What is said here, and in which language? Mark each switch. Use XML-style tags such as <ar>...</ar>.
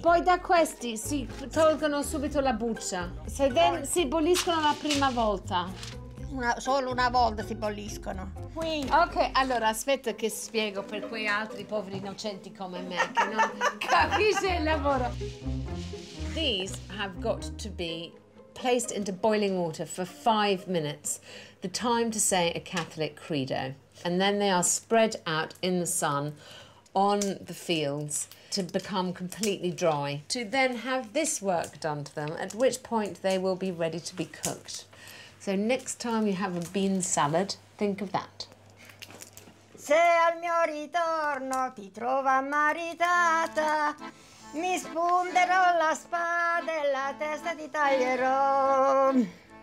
<it>Poi da questi si tolgono subito la buccia. Si boliscono la prima volta. Solo una volta si bolliscono. Qui. Ok, allora aspetta che spiego per quei altri poveri innocenti come me che non capisce il lavoro.</it> <en>These have got to be placed into boiling water for 5 minutes, the time to say a Catholic credo. And then they are spread out in the sun on the fields to become completely dry, to then have this work done to them, at which point they will be ready to be cooked. So next time you have a bean salad, think of that.</en> <it>Se al mio ritorno ti trovo ammaritata, mi spunterò la spada e la testa ti taglierò.</it>